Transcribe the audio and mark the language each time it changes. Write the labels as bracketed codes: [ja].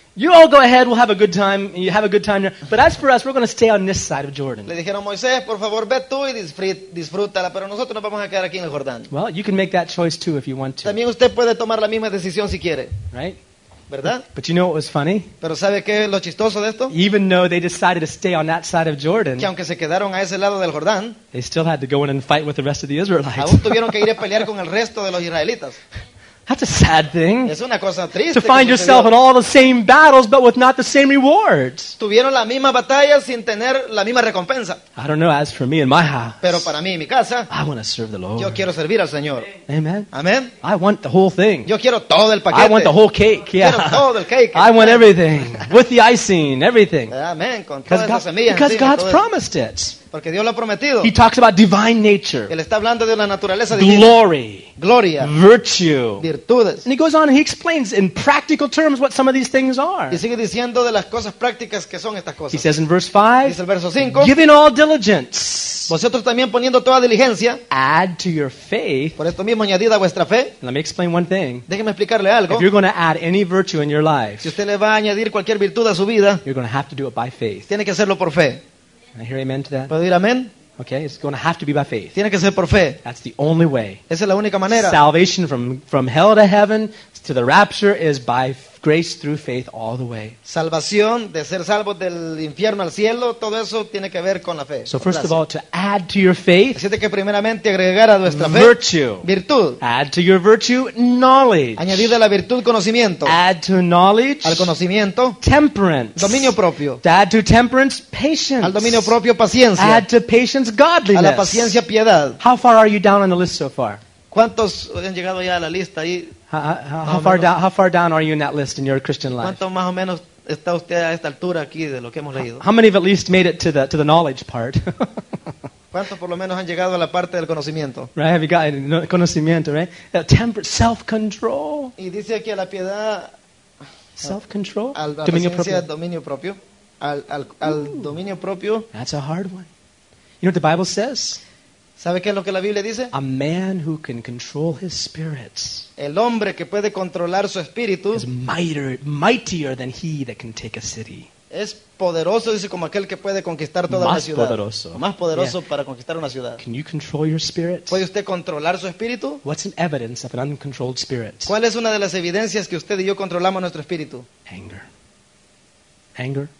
[en] You all go ahead, we'll have a good time. You have a good time. But as for us, we're going to stay on this side of Jordan. [es] Le dijeron a Moisés, por favor, ve tú y disfrútala, pero nosotros nos vamos a quedar aquí en el Jordán. [en] Well, you can make that choice too if you want to. [es] También usted puede tomar la misma decisión si quiere. [en] Right? [es] ¿Verdad? [en] But you know what was funny? [es] ¿Pero sabe qué es lo chistoso de esto? [en] Even though they decided to stay on that side of Jordan, [es] que aunque se quedaron a ese lado del Jordán, [en] they still had to go in and fight with the rest of the Israelites. [es] Aún tuvieron que ir a pelear con el resto de los israelitas. [en] That's a sad thing. [es] Es una cosa triste. [en] To find yourself in all the same battles, but with not the same rewards. [es] Tuvieron la misma batalla sin tener la misma recompensa. [en] I don't know. As for me and my house, [es] pero para mí y mi casa, [en] I want to serve the Lord. [es] Yo quiero servir al Señor. [en] Amen. [es] Amen. [en] I want the whole thing. [es] Yo quiero todo el paquete. [en] I want the whole cake. Yeah. [es] Quiero todo el cake. [en] I want everything with the icing, everything. [es] Amen. Con todas [en] God, [es] esas semillas. [en] Because God's promised it. [es] Porque Dios lo ha prometido. [en] He talks about divine nature. [es] Él está hablando de la naturaleza divina. [en] Glory. [es] Gloria. [en] Virtue. [es] Virtudes. [en] And he goes on and he explains in practical terms what some of these things are. [es] Y sigue diciendo de las cosas prácticas que son estas cosas. [en] He says in verse 5. [es] Dice el verso 5. [en] Giving all diligence. [es] Vosotros también poniendo toda diligencia. [en] Add to your faith. [es] Por esto mismo añadida vuestra fe. [en] Let me explain one thing. [es] Déjeme explicarle algo. [en] If you're going to add any virtue in your life, [es] si usted le va a añadir cualquier virtud a su vida, [en] you're going to have to do it by faith. [es] Tiene que hacerlo por fe. [en] Can I hear amen to that? [es] ¿Puedo decir amén? [en] Okay, it's going to have to be by faith. [es] Tiene que ser por fe. [en] That's the only way. [es] Esa es la única manera. [en] Salvation from hell to heaven to the rapture is by grace through faith all the way. [es] Salvación de ser salvo del infierno al cielo, todo eso tiene que ver con la fe. [en] So first of all, to add to your faith, [es] así que primeramente agregar a nuestra fe, [en] virtue, [es] virtud. [en] Add to your virtue, knowledge. [es] Añadir a la virtud, conocimiento. [en] Add to knowledge, [es] al conocimiento. [en] Temperance, [es] dominio propio. [en] Add to temperance, patience. [es] Al dominio propio, paciencia. [en] Add to patience, godliness. [es] A la paciencia, piedad. [en] How far are you down on the list so far? [es] ¿Cuántos han llegado ya a la lista ahí? [en] How far down are you in that list in your Christian life? [es] ¿Cuánto más o menos está usted a esta altura aquí de lo que hemos leído? [en] How many have at least made it to the knowledge part? [es] ¿Cuántos por lo menos han llegado a la parte del conocimiento? [en] Right, have you got conocimiento, right? Temper, self-control. [es] Y dice aquí a la piedad. [en] Self-control. [es] Al dominio propio. Dominio propio. Al dominio propio. [en] That's a hard one. You know what the Bible says? [es] ¿Sabe qué es lo que la Biblia dice? [en] A man who can control his spirit. [es] El hombre que puede controlar su espíritu [en] is mightier than he that can take a city. [es] Es poderoso, dice, como aquel que puede conquistar toda más una ciudad. Poderoso. Más poderoso, yeah. Para conquistar una ciudad. [en] Can you control your spirit? [es] ¿Puede usted controlar su espíritu? [en] What's an evidence of an uncontrolled spirit? [es] ¿Cuál es una de las evidencias que usted y yo controlamos nuestro espíritu? [en] Anger. Anger.